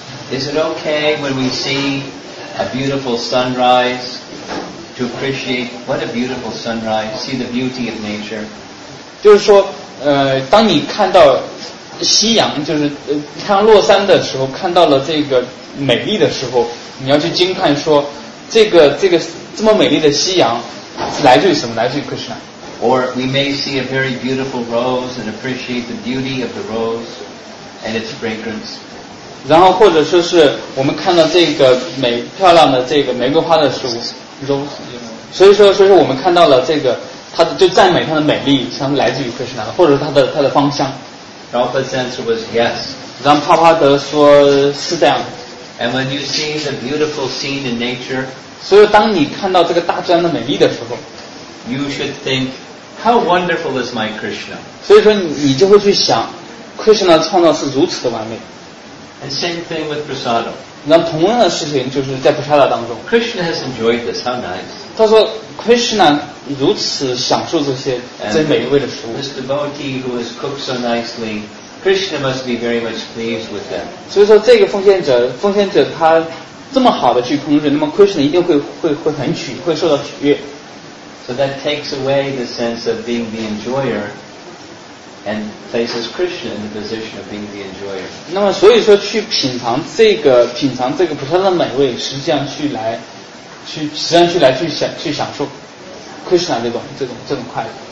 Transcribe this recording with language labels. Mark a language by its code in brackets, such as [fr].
[en] Is it okay when we see a beautiful sunrise to appreciate what a beautiful sunrise? See the beauty of nature. [zh] 就是说，当你看到夕阳就是太阳落山的时候，看到了这个美丽的时候，你要去惊叹说，这个这么美丽的夕阳来自于什么？来自于 Krishna。 [en] Or we may see a very beautiful rose and appreciate the beauty of the rose and its fragrance。 [zh] 然后或者说是我们看到这个美漂亮的这个玫瑰花的时候 [en] ，rose。 [zh] 所以说我们看到了这个它的就赞美它的美丽，像来自于 Krishna， 或者它的芳香。 [en] Prabhupada's answer was yes. [zh] 然后帕帕德说是这样。 [en] And when you see the beautiful scene in nature, [zh] 所以当你看到这个大自然的美丽的时候， [en] you should think, how wonderful is my Krishna? [zh] 所以说你就会去想 ，Krishna 的创造是如此的完美。 [en] And same thing with Prasada. [zh] 然后同样的事情就是在 Prasada 当中。 [en] Krishna has enjoyed this. How nice. [zh] 他说 Krishna 如此享受这些最美味的食物。 [en] This devotee who has cooked so nicely, Krishna must be very much pleased with them. [zh] 所以说这个奉献者他这么好的去烹饪，那么 Krishna 一定会很取，会受到取悦。 [en] So that takes away the sense of being the enjoyer. And places Krishna in the position of being the enjoyer. [zh] 那么所以说去品尝这个菩萨的美味，实际上去享受 Krishna 这种快乐。